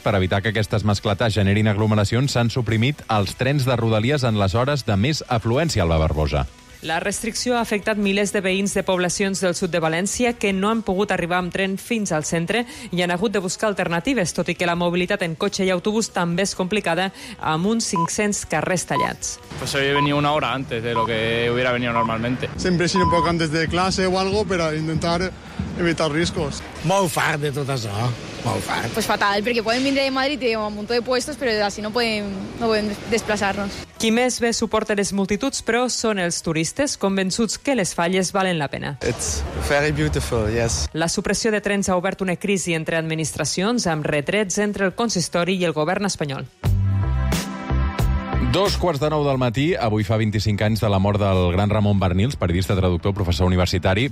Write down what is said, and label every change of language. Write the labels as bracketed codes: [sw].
[ca] Per evitar que aquestes mascletats generin aglomeracions, s'han suprimit els trens de Rodalies en les hores de més afluència a la Barbosa. La restricció ha afectat milers de veïns de poblacions del sud de València que no han pogut arribar amb tren fins al centre i han hagut de buscar alternatives, tot i que la mobilitat en cotxe i autobús també és complicada, amb uns 500 carrers tallats. [es] Pues hoy he venido una hora antes de lo que hubiera venido normalmente. Siempre he sido un poco antes de clase o algo, para intentar evitar riscos. [ca] Molt fart de tot això, molt fart. [es] Pues fatal, porque pueden venir de Madrid y un montón de puestos, pero así no [ca] podem desplaçar-nos. Qui més bé suporta les multituds, però, són els turistes, convençuts que les falles valen la pena. [en] It's very beautiful, yes. [ca] La supressió de trens ha obert una crisi entre administracions, amb retrets entre el consistori i el govern espanyol. 8:45 del matí, avui fa 25 anys de la mort del gran Ramon Barnils, periodista, traductor, professor universitari.